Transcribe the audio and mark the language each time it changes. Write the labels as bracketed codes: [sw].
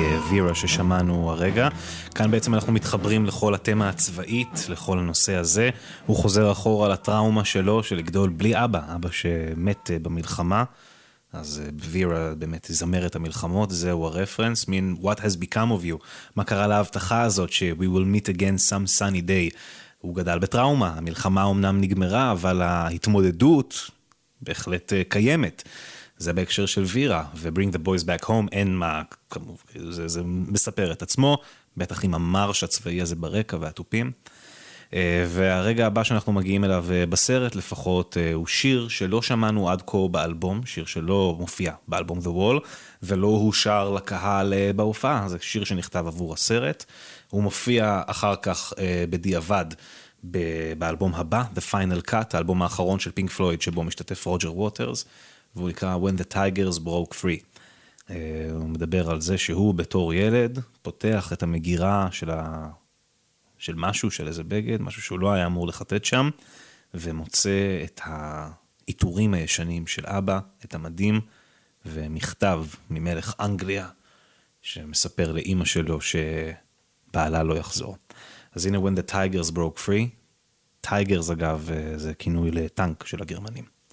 [he] Vera ששמענו הרגע. כאן בעצם אנחנו מתחברים לכל התמה הצבאית, לכל הנושא הזה. הוא חוזר אחורה לטראומה שלו, של לגדול בלי אבא, אבא שמת במלחמה. אז Vera באמת זמר את המלחמות, זהו הרפרנס. מין, [en] what has become of you? [he] מה קרה להבטחה הזאת, ש- [en] we will meet again some sunny day? [he] הוא גדל בטראומה, המלחמה אומנם נגמרה, אבל ההתמודדות בהחלט קיימת. זה בהקשר של Vera, ו-Bring the Boys Back Home, אין מה, כמובן, זה מספר את עצמו, בטח עם המרש הצבאי הזה ברקע והטופים. והרגע הבא שאנחנו מגיעים אליו בסרט, לפחות, הוא שיר שלא שמענו עד כה באלבום, שיר שלא מופיע באלבום The Wall, ולא הוא שר לקהל בהופעה, זה שיר שנכתב עבור הסרט. הוא מופיע אחר כך בדיעבד באלבום הבא, The Final Cut, האלבום האחרון של פינק פלויד, שבו משתתף רוג'ר ווטרס, והוא נקרא When the Tigers Broke Free. הוא מדבר על זה שהוא בתור ילד פותח את המגירה של, של משהו, של איזה בגד, משהו שהוא לא היה אמור לחטט שם, ומוצא את האיתורים הישנים של אבא, את המדים, ומכתב ממלך אנגליה, שמספר לאימא שלו שבעלה לא יחזור. אז הנה When the Tigers Broke Free. Tigers, אגב, זה כינוי לטנק של הגרמנים.